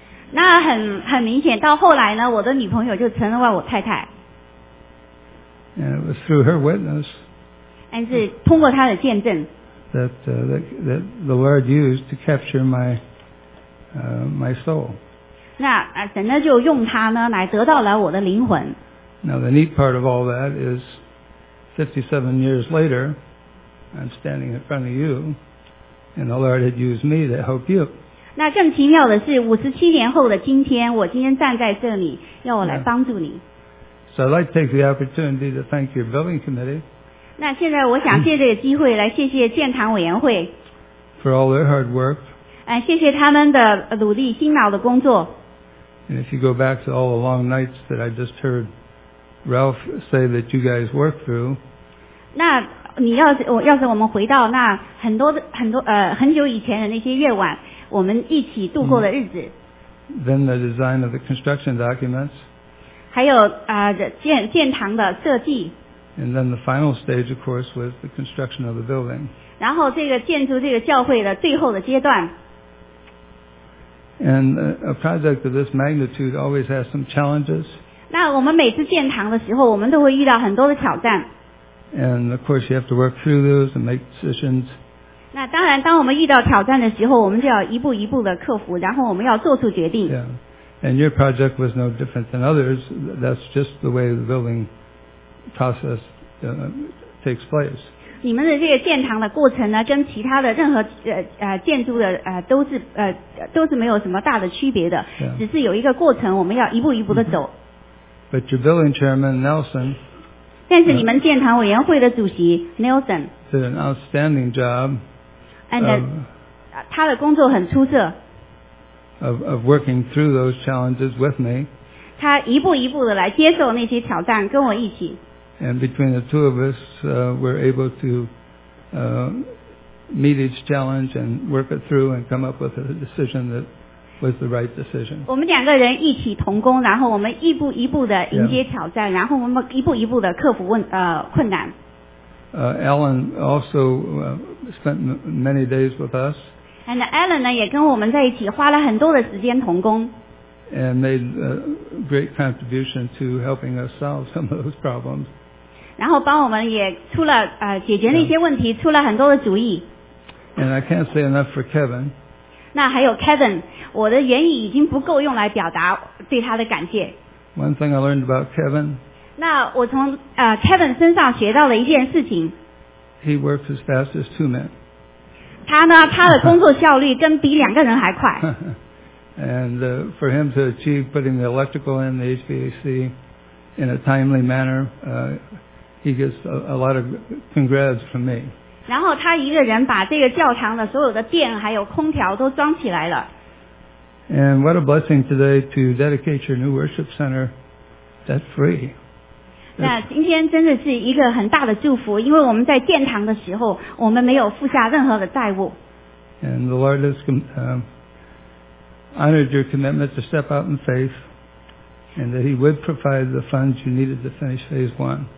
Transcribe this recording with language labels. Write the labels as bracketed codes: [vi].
[zh] 那很明显，到后来呢，我的女朋友就成了我太太。 [en] And it was through her witness. [zh] 但是通过她的见证。 [en] That the Lord used to capture my soul. [zh] 那神呢就用他呢来得到了我的灵魂。 [en] Now the neat part of all that is 57 years later I'm standing in front of you and the Lord had used me to help you. [zh] 那更奇妙的是57年后的今天，我今天站在这里要我来帮助你。 [en] So I'd like to take the opportunity to thank your building committee. [zh] 那现在我想借这个机会来谢谢建堂委员会。 [en] For all their hard work. [zh] 谢谢他们的努力辛劳的工作。 [en] And if you go back to all the long nights that I just heard Ralph say that you guys work through. [zh] 那你要是我们回到那很多很久以前的那些夜晚，我们一起度过的日子。 [en] Then the design of the construction documents. [zh] 还有建堂的设计。 [en] And then the final stage, of course, was the construction of the building. [zh] 然后这个建筑这个教会的最后的阶段。 [en] And a project of this magnitude always has some challenges. [zh] 那我们每次建堂的时候，我们都会遇到很多的挑战。 [en] And of course, you have to work through those and make decisions. [zh] 那当然，当我们遇到挑战的时候，我们就要一步一步的克服，然后我们要做出决定。 [en] Yeah. And your project was no different than others. That's just the way the building process takes place. [zh] 你们的这个建堂的过程呢，跟其他的任何建筑的都是没有什么大的区别的， [en] yeah. [zh] 只是有一个过程，我们要一步一步的走。 [en] But your building chairman Nelson. [zh] 但是你们建堂委员会的主席 Nelson. [en] Did an outstanding job. And [zh] 他的工作很出色。 [en] Of working through those challenges with me. [zh] 他一步一步的来接受那些挑战，跟我一起。 [en] And between the two of us, we're able to. Meet each challenge and work it through and come up with a decision that was the right decision. [zh] 我们两个人一起同工，然后我们一步一步的迎接挑战，然后我们一步一步的克服困难。 [en] Alan also spent many days with us. And [zh] Alan 呢也跟我们在一起，花了很多的时间同工。 [en] And made a great contribution to helping us solve some of those problems. [zh] 然后帮我们也出了解决那些问题、 [en] yeah. [zh] 出了很多的主意。 [en] And I can't say enough for Kevin. [zh] 那还有 Kevin, 我的言语已经不够用来表达对他的感谢。 [en] One thing I learned about Kevin. [zh] 那我从Kevin 身上学到了一件事情。 [en] He works as fast as two men. [zh] 他呢他的工作效率跟比两个人还快。 [en] And for him to achieve putting the electrical in the HVAC in a timely manner, He gets a lot of congrats from me. [zh] 然后他一个人把这个教堂的所有的电还有空调都装起来了。 [en] And what a blessing today to dedicate your new worship center. That's free. [zh] 那今天真的是一个很大的祝福，因为我们在建堂的时候，我们没有付下任何的债务。 [en] And the Lord has honored your commitment to step out in faith, and that He would provide the funds you needed to finish phase one.